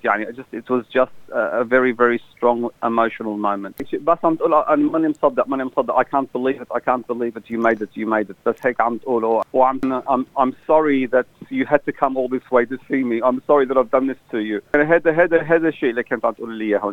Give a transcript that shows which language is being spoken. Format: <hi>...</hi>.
<en>يعني it was just a very very strong emotional moment.</en> <ar>بس عم تقول أنا ماني مصدق، ماني مصدق.</ar> <en>I can't believe it. You made it.</en> <ar>بس هيك عم تقوله.</ar> <en>I'm sorry that you had to come all this way to see me. I'm sorry that I've done this to you.</en> <ar>أنا هذا الشيء اللي كانت عم تقول لي إياه.</ar>